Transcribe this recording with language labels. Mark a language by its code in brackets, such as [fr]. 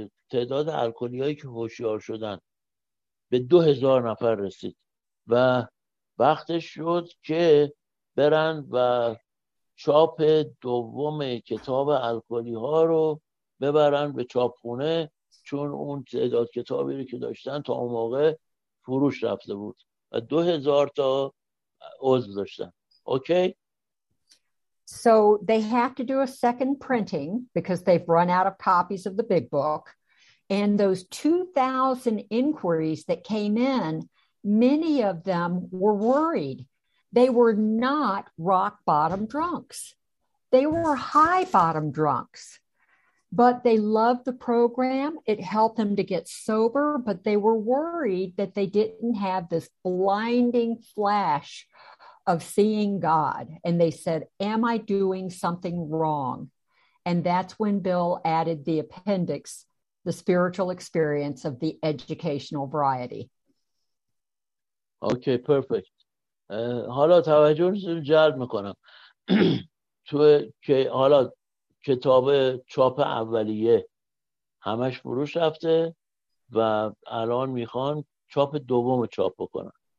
[fa] تعداد الکلی هایی که هوشیار شدن به 2000 نفر رسید و وقتش شد که برن و چاپ دوم کتاب الکلی ها رو ببرن به چاپخونه، چون اون تعداد کتابی رو که داشتن تا اون موقع فروش رفته بود و 2000 تا عضو داشتن. اوکی؟ [en] So they have to do a second printing because they've run out of copies of the big book. And those 2000 inquiries that came in, many of them were worried. They were not rock bottom drunks. They were high bottom drunks. But they loved the program. It helped them to get sober, but they were worried that they didn't have this blinding flash of seeing God. And they said, am I doing something wrong? And that's when Bill added the appendix, the spiritual experience of the educational variety. Okay, perfect. [fa] حالا توجه رو جلب میکنم تو که حالا کتاب چاپ اولیه همش فروش رفته و الان میخوان چاپ دوم چاپ بکنن.